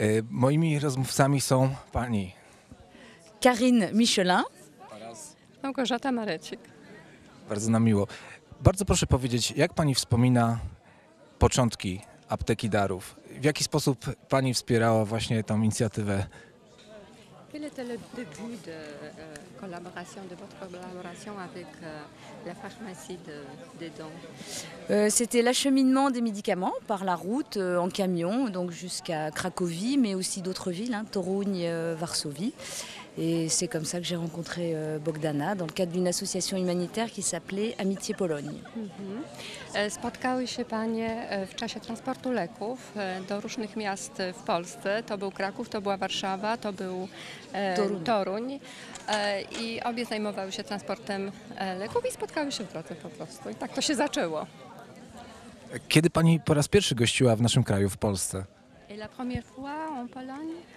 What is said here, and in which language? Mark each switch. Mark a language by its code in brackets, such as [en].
[pl] Moimi rozmówcami są pani Karine Michelin oraz Małgorzata Marecik. Bardzo nam miło. Bardzo proszę powiedzieć, jak pani wspomina początki Apteki Darów? W jaki sposób pani wspierała właśnie tą inicjatywę? [fr] Quel était le début de collaboration, de votre collaboration avec la pharmacie des dents? C'était l'acheminement des médicaments par la route en camion, donc jusqu'à Cracovie, mais aussi d'autres villes, hein, Torunie, Varsovie. Et c'est comme ça que j'ai rencontré Bogdana dans le cadre d'une association humanitaire qui s'appelait Amitié Pologne. [pl] Spotkały się panie w czasie transportu leków do różnych miast w Polsce. To był Kraków, to była Warszawa, to był Toruń. I obie zajmowały się transportem leków i spotkały się w drodze po prostu. I tak to się zaczęło. Kiedy pani po raz pierwszy gościła w naszym kraju, w Polsce? [fr] Et la première fois en Pologne?